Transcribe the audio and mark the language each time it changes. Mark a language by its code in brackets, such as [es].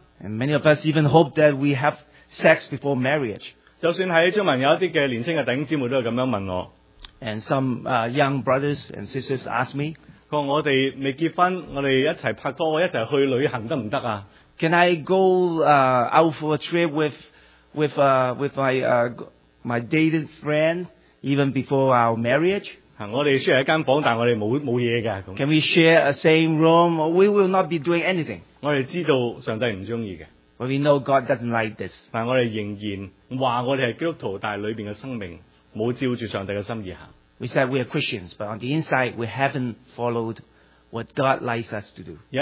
[en] And many of us even hope that we have sex before marriage. [zh] 就算在中文有一些年轻的弟兄姊妹都这样问我。 [en] And some young brothers and sisters ask me, [zh] 说我们未结婚, 我们一起拍拖, 一起去旅行行不行啊? [en] Can I go out for a trip with my dated friend even before our marriage? [zh] 我们share一间房, 但我们没有东西的, [en] can we share a same room? We will not be doing anything. [zh] 我们知道上帝不喜欢的, [en] but we know God doesn't like this. [zh] 但我们仍然说我们是基督徒, 但里面的生命没有照着上帝的心意行。 [en] We said we are Christians, but on the inside we haven't followed what God likes us to do.